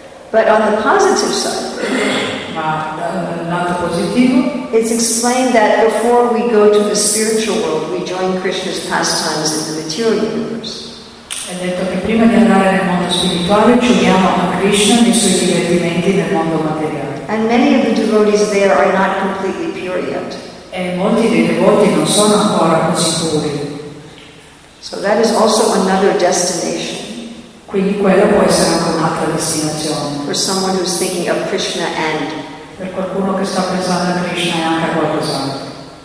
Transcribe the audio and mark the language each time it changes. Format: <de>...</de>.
<en>But on the positive side, it's explained that before we go to the spiritual world, we join Krishna's pastimes in the material universe.</en> <it>È detto che prima di andare nel mondo spirituale ci uniamo a Krishna nei suoi divertimenti nel mondo materiale.</it> <en>And many of the devotees there are not completely pure yet.</en> <it>E molti dei devoti non sono ancora così puri.</it> <en>So that is also another destination.</en> <it>Quindi quella può essere anche un'altra destinazione.</it> <en>For someone who's thinking of Krishna and.</en> <it>Per qualcuno che sta pensando a Krishna e anche a qualcos'altro.</it>